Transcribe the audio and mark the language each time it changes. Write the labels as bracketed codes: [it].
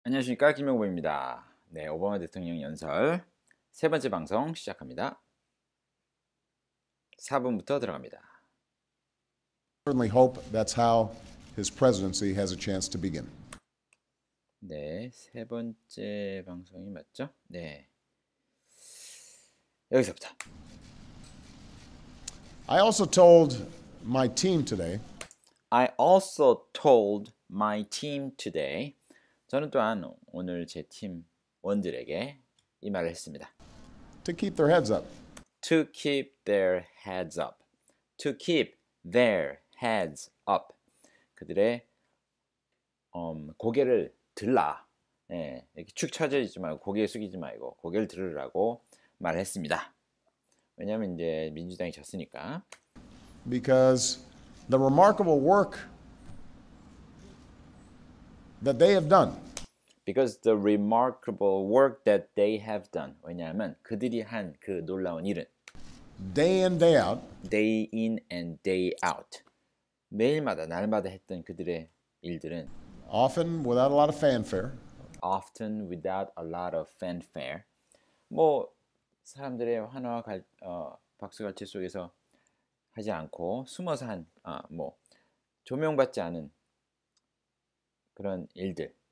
[ko] 안녕하십니까, 김용범입니다. 네, 오바마 대통령 연설 세 번째 방송 시작합니다. 4분부터 들어갑니다. [en] Certainly hope that's how his presidency has a chance to begin. [ko] 네, 세 번째 방송이 맞죠? 네. 여기서부터. [en] I also told my team today. I also told my team today. [ko] 저는 또한 오늘 제 팀원들에게 이 말을 했습니다. [en] To keep their heads up. To keep their heads up. To keep their heads up. [ko] 그들의 고개를 들라. 예, 이렇게 축 처지지 말고 고개 숙이지 말고 고개를 들으라고 말했습니다. 왜냐면 이제 민주당이 졌으니까. [en] Because the remarkable work that they have done. Because the remarkable work that they have done. [ko] 왜냐하면 그들이 한그 놀라운 일은 [en] Day in, day out. day in and day out. [ko] 매일마다 날마다 했던 그들의 일들은 [en] Often without a lot of fanfare. often without a lot of fanfare. [ko] 뭐 사람들의 환호와 박수갈채 속에서 하지 않고 숨어서 한뭐 조명받지 않은 그런 일들.